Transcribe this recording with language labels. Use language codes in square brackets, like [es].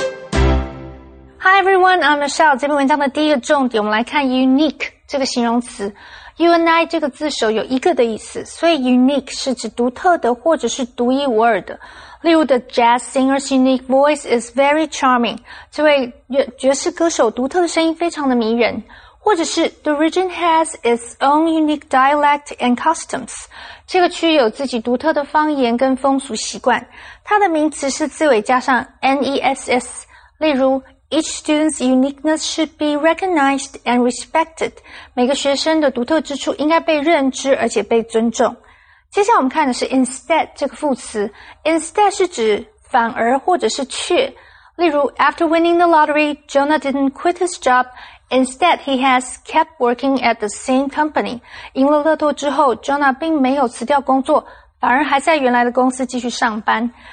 [en] Hi everyone, I'm Michelle. [zh] 这篇文章的第一个重点，我们来看 unique 这个形容词。 UNI 这个字首有一个的意思，所以 unique 是指独特的或者是独一无二的。例如 [en] the jazz singer's unique voice is very charming. [zh] 这位爵士歌手独特的声音非常的迷人。或者是 [en] the region has its own unique dialect and customs. [zh] 这个区域有自己独特的方言跟风俗习惯。它的名词是字尾加上 N-E-S-S。例如 [en] Each student's uniqueness should be recognized and respected. [zh] 每个学生的独特之处应该被认知而且被尊重。接下来我们看的是 instead 这个副词。Instead 是指反而或者是却。例如 [en] After winning the lottery, Jonah didn't quit his job. Instead, he has kept working at the same company. [zh] 赢了乐透之后 ,Jonah 并没有辞掉工作,反而还在原来的公司继续上班。